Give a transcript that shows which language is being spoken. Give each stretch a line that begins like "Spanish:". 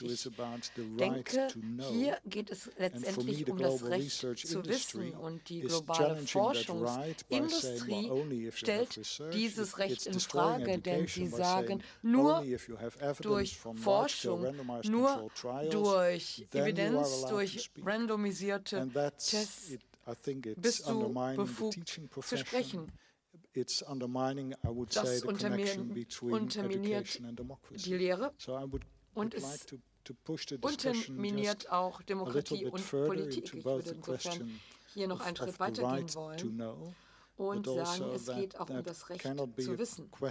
German: Ich denke, hier geht es letztendlich um das Recht zu wissen, und die globale Forschungsindustrie stellt dieses Recht in Frage, denn sie sagen, nur durch Forschung, nur durch Evidenz, durch randomisierte Tests bist du befugt zu sprechen.
English: It's undermining, I would say, the connection between education and democracy.
German: Die Lehre und es unterminiert auch Demokratie und Politik. Ich würde insofern hier noch einen Schritt weitergehen wollen und sagen, es geht auch um das Recht zu wissen.